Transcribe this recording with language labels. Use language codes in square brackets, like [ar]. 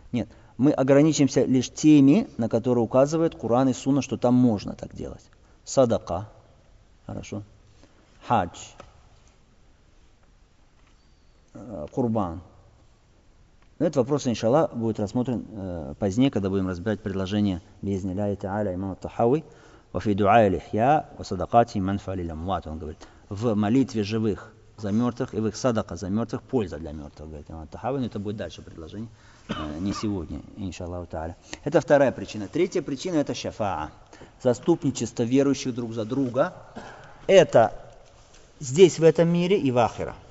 [ru] Нет, мы ограничимся лишь теми, на которые указывает Куран и Сунна, что там можно так делать. Садака. Хорошо. Хадж. Курбан. Но этот вопрос, иншаллах, будет рассмотрен позднее, когда будем разбирать предложение Бизниля и Та'аля имама Тахави. [ar] وفي دعاء الإحياء وصدقاته منفعة للأموات. [ru] Он говорит, в молитве живых за мертвых и в их садака за мертвых польза для мертвых. Говорит имам ат-Тахави, но это будет дальше предложение, не сегодня, иншаллаху тааля. Это вторая причина. Третья причина – это шафаа. Заступничество верующих друг за друга. Это здесь, в этом мире и в ахира.